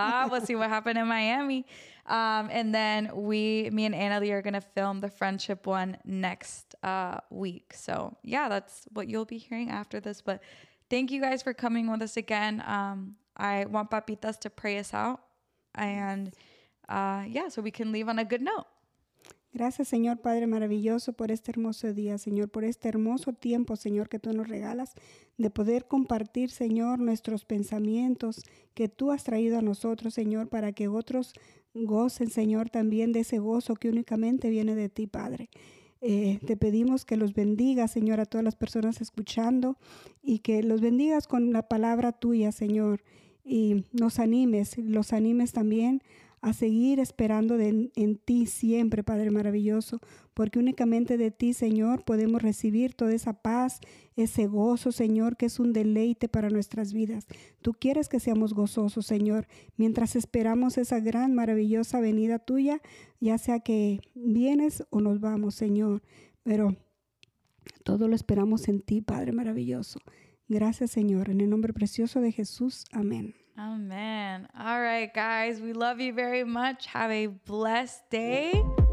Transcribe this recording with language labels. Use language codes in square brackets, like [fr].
[en] We'll see what happened in Miami. And then me and Annalie are going to film the friendship one next week. So yeah, that's what you'll be hearing after this. But thank you guys for coming with us again. I want Papitas to pray us out. And yeah, so we can leave on a good note. [es] Gracias, Señor Padre maravilloso, por este hermoso día, Señor, por este hermoso tiempo, Señor, que tú nos regalas de poder compartir, Señor, nuestros pensamientos que tú has traído a nosotros, Señor, para que otros gocen, Señor, también de ese gozo que únicamente viene de ti, Padre. Te pedimos que los bendiga, Señor, a todas las personas escuchando y que los bendigas con la palabra tuya, Señor. Y los animes también a seguir esperando en ti siempre, Padre maravilloso, porque únicamente de ti, Señor, podemos recibir toda esa paz, ese gozo, Señor, que es un deleite para nuestras vidas. Tú quieres que seamos gozosos, Señor, mientras esperamos esa gran, maravillosa venida tuya, ya sea que vienes o nos vamos, Señor. Pero todo lo esperamos en ti, Padre maravilloso. Gracias, Señor. En el nombre precioso de Jesús. Amén. [en] Amén. All right, guys. We love you very much. Have a blessed day.